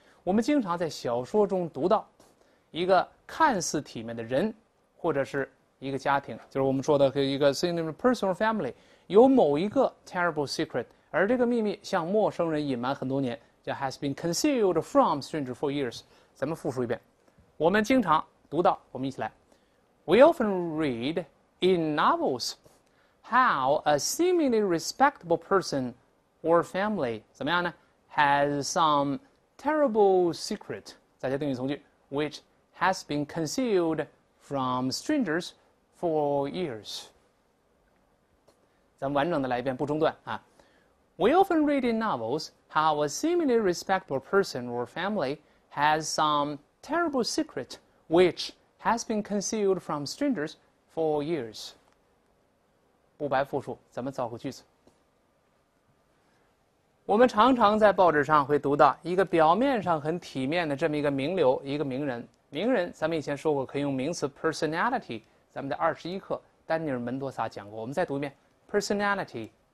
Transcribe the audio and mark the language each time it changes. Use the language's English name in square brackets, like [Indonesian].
[Chinese] 我们经常在小说中读到一个看似体面的人或者是一个家庭，就是我们说的一个 [English] seemingly personal family， [Chinese] 有某一个 terrible secret， 而这个秘密向陌生人隐瞒很多年，叫 [English] has been concealed from stranger for years。 [Chinese] 咱们复述一遍，我们经常读到，我们一起来。 [English] We often read in novels how a seemingly respectable personOur family [Chinese] 怎么样呢 [English] ？Has some terrible secret， [Chinese] 再加定语从句 [English] ，which has been concealed from strangers for years。 [Chinese] 咱们完整的来一遍，不中断啊。 [English] We often read in novels how a seemingly respectable person or family has some terrible secret which has been concealed from strangers for years。 [Chinese] 不白复述，咱们造个句子。我们常常在报纸上会读到一个表面上很体面的这么一个名流，一个名人。名人，咱们以前说过可以用名词 personality， 咱们的21课丹尼尔门多萨讲过，我们再读一遍 personality。